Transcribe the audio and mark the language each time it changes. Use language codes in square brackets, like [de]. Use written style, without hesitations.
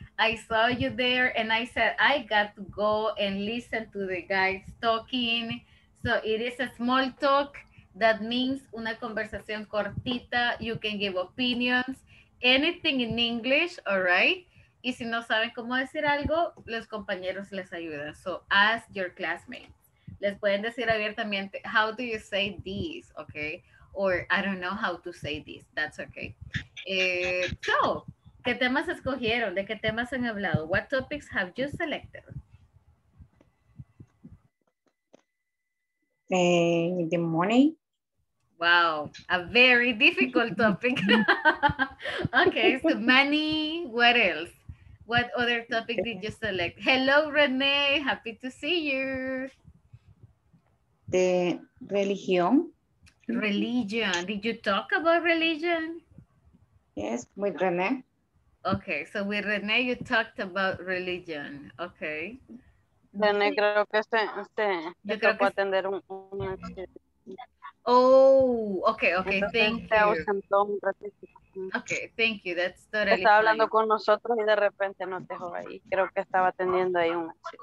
[en] I saw you there and I said, I got to go and listen to the guys talking. So it is a small talk. That means [es] una conversación cortita. [en] You can give opinions, anything in English, all right? [es] Y si no saben cómo decir algo, los compañeros les ayudan. [en] So ask your classmates. [es] Les pueden decir abiertamente, [en] how do you say this, okay? or I don't know how to say this. That's okay. [es] So, ¿qué temas escogieron? ¿De qué temas han hablado? [en] What topics have you selected? The money. Wow, a very difficult topic. Okay, so money, what else? What other topic did you select? Hello, Renee, happy to see you. The religion. Religion, did you talk about religion? Yes, with Renee. Okay, so with Renee, you talked about religion, okay. [es] René, creo que usted yo creo que atender un [en] Oh, okay, okay, entonces, thank you, that's totally fine. [es] Hablando con nosotros y de repente nos dejó ahí, creo que estaba atendiendo ahí un